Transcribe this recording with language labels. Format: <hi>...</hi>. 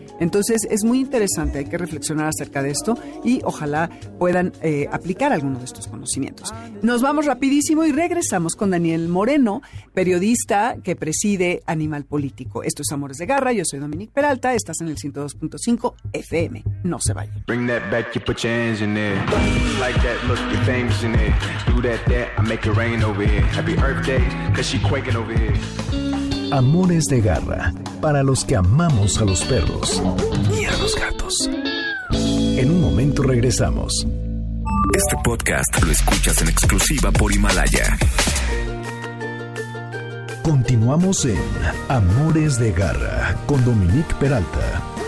<es>Entonces, es muy interesante, hay que reflexionar acerca de esto, y ojalá puedan aplicar alguno de estos conocimientos. Nos vamos rapidísimo y regresamos con Daniel Moreno, periodista que preside Animal Político. Esto es Amores de Garra, yo soy Dominique Peralta, estás en el 102.5 FM. No se vayan.</es> <en>Bring that back, you put your hands in there. Like that, look, you're famous in there. Do that, I make it rain over here. Happy Earth Day, cause she quaking over here.</en> <es>Amores de Garra, para los que amamos a los perros y a los gatos. En un momento regresamos. Este podcast lo escuchas en exclusiva por Himalaya. Continuamos en Amores de Garra con Dominique Peralta.</es>